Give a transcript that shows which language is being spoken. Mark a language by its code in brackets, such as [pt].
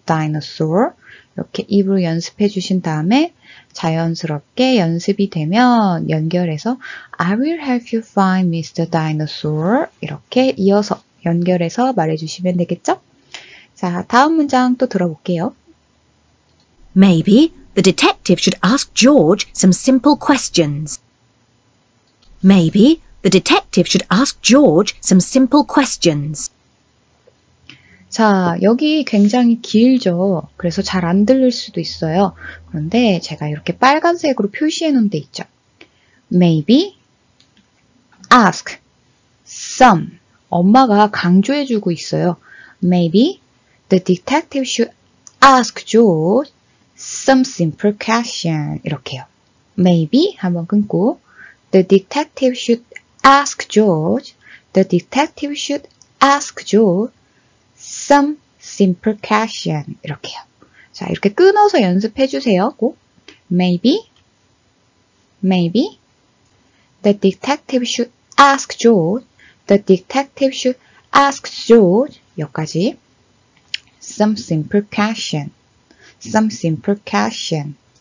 [ko] Dinosaur 이렇게 입으로 연습해 주신 다음에 자연스럽게 연습이 되면 연결해서 [en] I will help you find Mr. [ko] Dinosaur 이렇게 이어서 연결해서 말해 주시면 되겠죠? 자, 다음 문장 또 들어볼게요. [en] Maybe the detective should ask George some simple questions. Maybe the detective should ask George some simple questions. [ko] 자, 여기 굉장히 길죠. 그래서 잘 안 들릴 수도 있어요. 그런데 제가 이렇게 빨간색으로 표시해 놓은 데 있죠. [en] Maybe ask some. [ko] 엄마가 강조해 주고 있어요. [en] Maybe the detective should ask George some simple question. [ko] 이렇게요. [en] Maybe [ko] 한번 끊고 [en] the detective should ask George. The detective should ask George some simple question. [ko] 이렇게요. 자, 이렇게 끊어서 연습해 주세요. 꼭. [en] Maybe. Maybe. The detective should ask George. The detective should ask George. [ko] 여기까지. [en] Some simple question. Some simple question.